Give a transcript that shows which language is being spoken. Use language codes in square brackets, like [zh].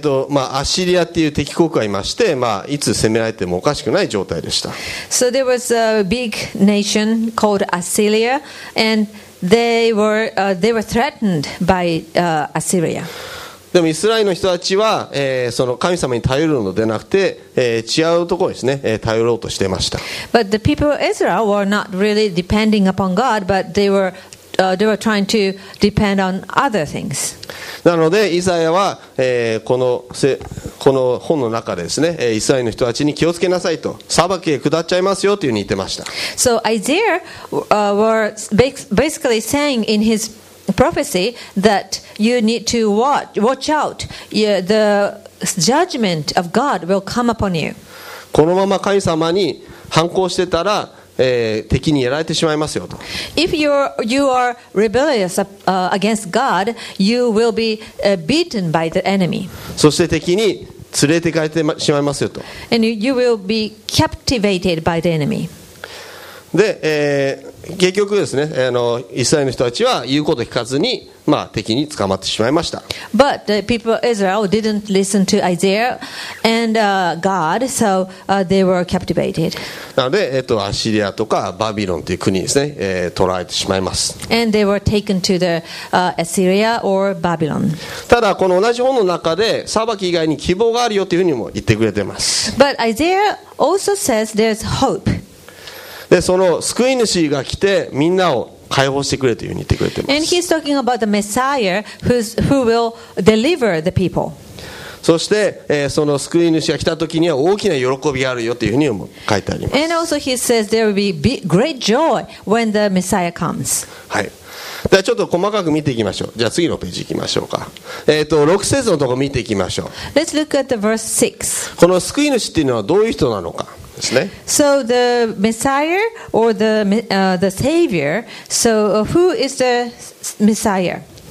[ja] まあ、アッシリアっていう敵国がいまして、まあ、いつ攻められてもおかしくない状態でした。 [en] So there was a big nation called Assyria, and they were threatened by Assyria. [ja] でもイスラエルの人たちは、その神様に頼るのでなくて、違うところですね、頼ろうとしてました。 [en] But the people of Israel were not really depending upon God, but they were trying to depend on other things. [ja] なのでイザヤは、この本の中でですね、イスラエルの人たちに気をつけなさいと、裁きへ下っちゃいますよというふうに言ってました。 [en] So Isaiah were basically saying in his prophecy that you need to watch out. The judgment of God will come upon you. [ja] このまま神様に反抗してたら敵にやられてしまいますよと。 [en] If you are rebellious against God, you will be beaten by the enemy. [ja] そして敵に連れて帰ってしまいますよと。 [en] And you will be captivated by the enemy. [ja] で、結局ですね、イスラエルの人たちは言うこと聞かずに、まあ、敵に捕まってしまいました。 [en] But the people of Israel didn't listen to Isaiah and God, so they were captivated. [ja] なので、アッシリアとかバビロンという国ですね、捕らえてしまいます。 [en] And they were taken to the Assyria or Babylon. [ja] ただこの同じ本の中で裁き以外に希望があるよというふうにも言ってくれています。 [en] But Isaiah also says there's hope. [ja] でその救い主が来てみんなを解放してくれというふうに言ってくれています。 [en] And he's talking about the Messiah who will deliver the people. [ja] そして、その救い主が来た時には大きな喜びがあるよというふうにも書いてあります。 [en] And also he says there will be great joy when the Messiah comes. [ja] はい。ではちょっと細かく見ていきましょう。じゃあ次のページ行きましょうか。6節のところ見ていきましょう。 [en] Let's look at the verse 6. [ja] この救い主っていうのはどういう人なのか。 [en] So the Messiah or the Savior. So who is the Messiah?